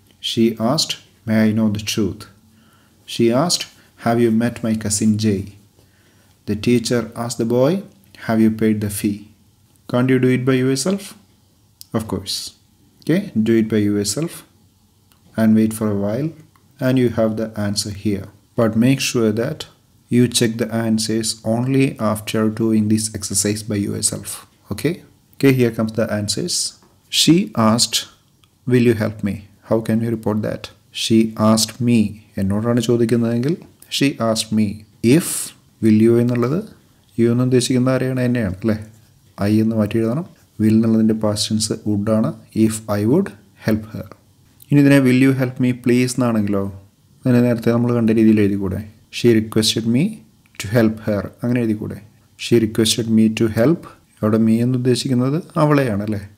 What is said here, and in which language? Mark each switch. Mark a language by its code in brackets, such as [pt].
[en] She asked may I know the truth. She asked have you met my cousin Jay. The teacher asked the boy have you paid the fee. Can't you do it by yourself? Of course. Okay, do it by yourself and wait for a while and you have the answer here. But make sure that you check the answers only after doing this exercise by yourself. Okay? Okay, here comes the answers. She asked, will you help me? How can we report that? She asked me. [ml] എന്നോടാണ് ചോദിക്കുന്നതെങ്കിൽ [en] she asked me. If, will you [ml] എന്നുള്ളത് U എന്ന് ഉദ്ദേശിക്കുന്ന ആരെയാണ് എന്നെയാണ് അല്ലേ. I എന്ന് മാറ്റി എഴുതണം. Will എന്നുള്ളതിൻ്റെ പാസ്റ്റ് ടെൻസ് വുഡ് ആണ്. [en] If I would help her. [ml] ഇനി ഇതിനെ [en] will you help me please [ml] എന്നാണെങ്കിലോ, അങ്ങനെ നേരത്തെ നമ്മൾ കണ്ട രീതിയിൽ എഴുതിക്കൂടെ? [en] she requested me to help her, [ml] അങ്ങനെ എഴുതിക്കൂടെ? [en] she requested me to help, [ml] അവിടെ മീ എന്ന് ഉദ്ദേശിക്കുന്നത് അവളെയാണ് അല്ലേ.